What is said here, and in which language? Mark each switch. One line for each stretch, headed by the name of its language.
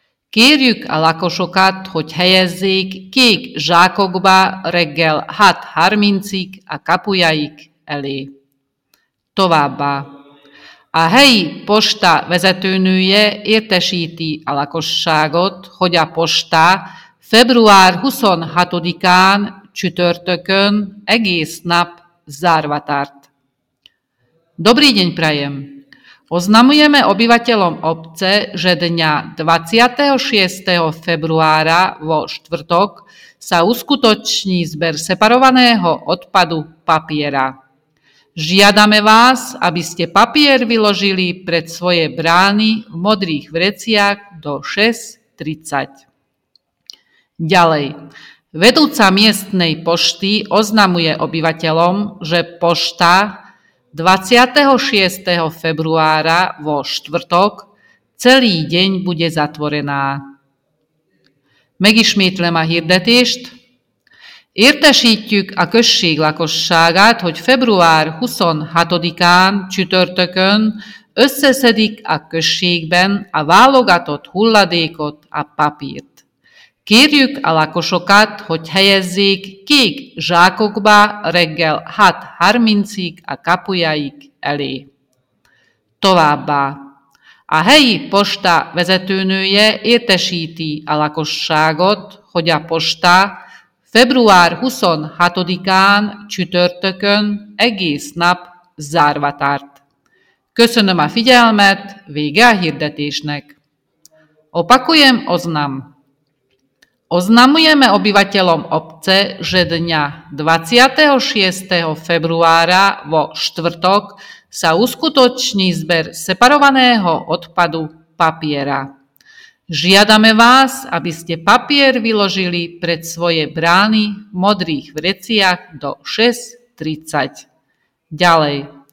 Hungarian: Kérjük a lakosokat, hogy helyezzék kék zsákokba reggel 6:30-ig a kapujaik elé. Továbbá. A helyi posta vezetőnője értesíti a lakosságot, hogy a posta február 26-án csütörtökön egész nap zárva tart.
Slovak: Dobrý deň prajem. Oznamujeme obyvateľom obce, že dňa 26. februára vo štvrtok sa uskutoční zber separovaného odpadu papiera. Žiadame vás, aby ste papier vyložili pred svoje brány v modrých vreciach do 6:30. Ďalej. Vedúca miestnej pošty oznamuje obyvateľom, že pošta 26. februára vo štvrtok celý deň bude zatvorená.
Hungarian: Megismétlem a hirdetést. Értesítjük a község lakosságát, hogy február 26-án csütörtökön összeszedik a községben a válogatott hulladékot, a papírt. Kérjük a lakosokat, hogy helyezzék kék zsákokba reggel 6:30-ig a kapujaik elé. Továbbá. A helyi posta vezetőnője értesíti a lakosságot, hogy a posta február 26-án csütörtökön egész nap zárva tart. Köszönöm a figyelmet, vége a hirdetésnek.
Slovak: Opakujem oznam. Oznamujeme obyvateľom obce, že dňa 26. februára vo štvrtok sa uskutoční zber separovaného odpadu papiera. Žiadame vás, aby ste papier vyložili pred svoje brány v modrých vreciach do 6:30. Ďalej.